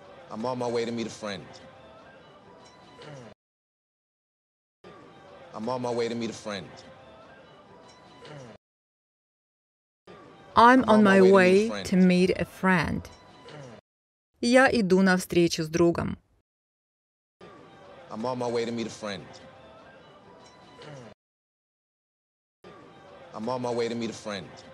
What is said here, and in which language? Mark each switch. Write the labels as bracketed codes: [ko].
[en] I'm on my way to meet a friend. I'm on my way to meet a friend. I'm on my way to meet a friend. [ru] Я иду на встречу с другом. [en] I'm on my way to meet a friend. I'm on my way to meet a friend.